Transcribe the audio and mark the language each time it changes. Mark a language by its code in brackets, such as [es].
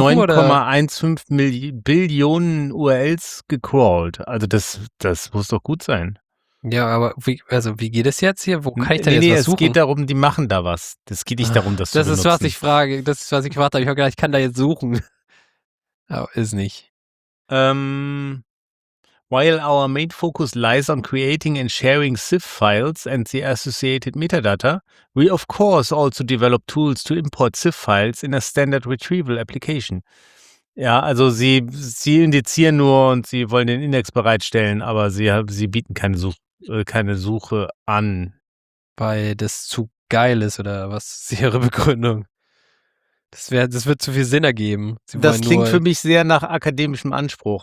[de] 9,15 Billionen URLs gecrawled. Also das muss doch gut sein. Ja, aber wie geht es jetzt hier? Wo kann ich da jetzt was suchen? Es geht darum, die machen da was. Das geht nicht darum, dass du das ist, was ich frage. Das ist, was ich gefragt habe. Ich habe gedacht, ich kann da jetzt suchen. Aber ist nicht. [en] While our main focus lies on creating and sharing SIF files and the associated metadata, we of course also develop tools to import SIF files in a standard retrieval application. [de] Ja, also sie indizieren nur und sie wollen den Index bereitstellen, aber sie bieten keine Suche an. Weil das zu geil ist, oder was ist ihre Begründung? Das wird zu viel Sinn ergeben. Das klingt für mich sehr nach akademischem Anspruch.